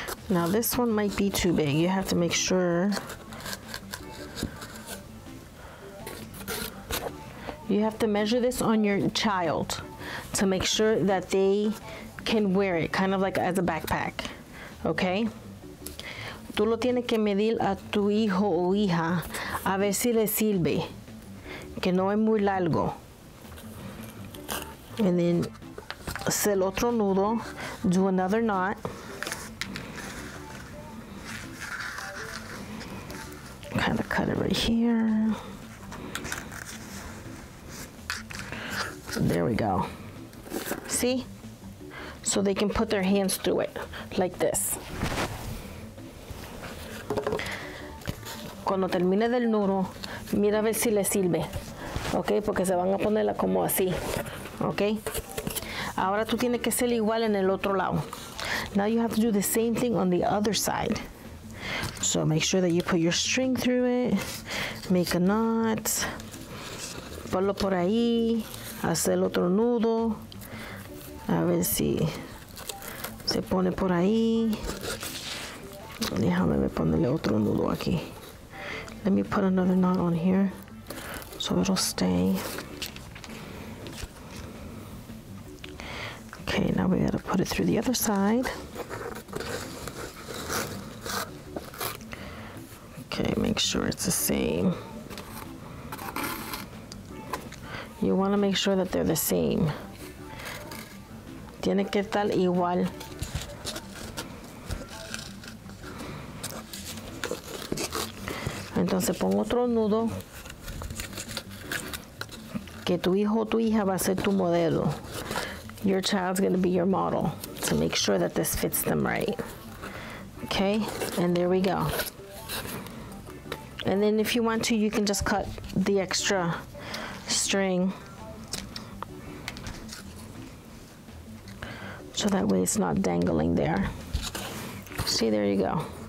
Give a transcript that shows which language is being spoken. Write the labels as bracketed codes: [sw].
[en] Now this one might be too big. You have to make sure. You have to measure this on your child to make sure that they can wear it, kind of like as a backpack, okay? [es] Tú lo tienes que medir a tu hijo o hija a ver si le sirve, que no es muy largo. [en] And then, [es] hacer el otro nudo, [en] do another knot. Kind of cut it right here. There we go. See? So they can put their hands through it, like this. [es] Cuando termine del nudo, mira a ver si le sirve. Okay, porque se van a ponerla como así. Okay? Ahora tú tienes que hacer igual en el otro lado. [en] Now you have to do the same thing on the other side. So make sure that you put your string through it. Make a knot. [es] Ponlo por ahí. Haz el otro nudo. A ver si se pone por ahí. Déjame ponerle otro nudo aquí. [en] Let me put another knot on here so it'll stay. Okay, now we gotta put it through the other side. Okay, make sure it's the same. You want to make sure that they're the same. [es] Tiene que estar igual. Entonces pon otro nudo que tu hijo o tu hija va a ser tu modelo. [en] Your child's going to be your model. So make sure that this fits them right. Okay, and there we go. And then if you want to, you can just cut the extra string so that way it's not dangling there. See, there you go.